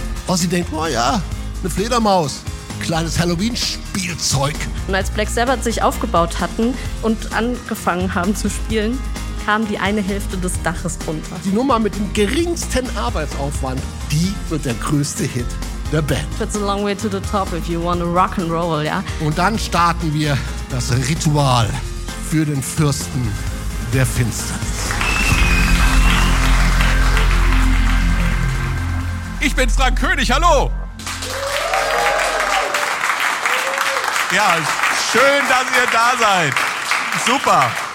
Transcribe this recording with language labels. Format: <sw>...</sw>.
<de>Ozzy denkt, oh ja, eine Fledermaus. Kleines Halloween-Spielzeug. Und als Black Sabbath sich aufgebaut hatten und angefangen haben zu spielen, kam die eine Hälfte des Daches runter. Die Nummer mit dem geringsten Arbeitsaufwand, die wird der größte Hit der Band.</de> <en>It's a long way to the top if you want to rock and roll, ja?</en> <de>Und dann starten wir das Ritual für den Fürsten der Finsternis. Ich bin Frank König, hallo! Ja, schön, dass ihr da seid. Super.</de>